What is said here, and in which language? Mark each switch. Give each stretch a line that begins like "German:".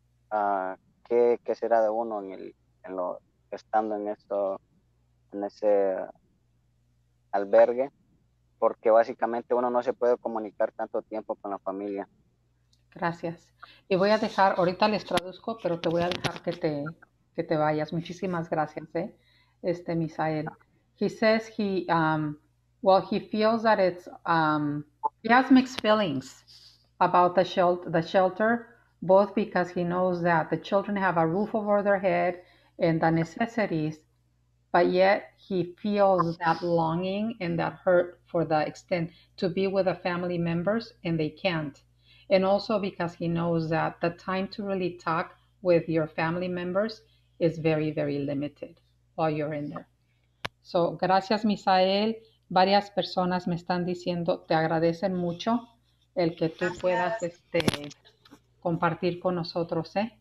Spanish: qué será de uno en el en lo estando en esto en ese albergue, porque básicamente uno no se puede comunicar tanto tiempo con la familia. Gracias. Y voy a dejar, ahorita les traduzco, pero te voy a dejar que te vayas. Muchísimas gracias, Misael.
English: He says he feels that he has mixed feelings about the shelter, both because he knows that the children have a roof over their head and the necessities, but yet he feels that longing and that hurt for the extent to be with the family members and they can't. And also because he knows that the time to really talk with your family members is very, very limited while you're in there. So, gracias, Misael.
Spanish: Varias personas me están diciendo, te agradecen mucho el que tú puedas compartir con nosotros, ¿eh?